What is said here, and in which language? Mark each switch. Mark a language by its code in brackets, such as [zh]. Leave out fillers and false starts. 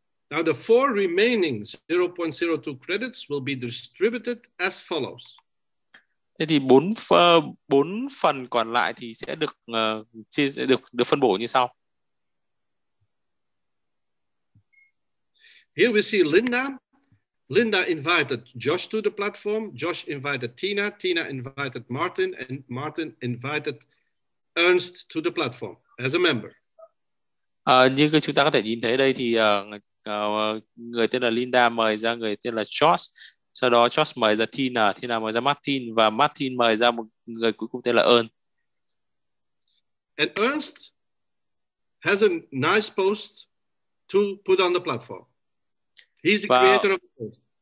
[en] Now the four remaining 0.02 credits will be distributed as follows. [vi] Thế thì bốn phần còn lại thì sẽ được được phân bổ như sau. [en] Here we see Linda. Linda invited Josh to the platform. Josh invited Tina. Tina invited Martin, and Martin invited Ernst to the platform as a member. [vi] Như chúng ta có thể nhìn thấy đây thì người tên là Linda mời ra người tên là Josh, sau đó Josh mời ra Tina, Tina mời ra Martin và Martin mời ra một người cuối cùng tên là Ernst. [en] And Ernst has a nice post to put on the platform. He's the creator of the post.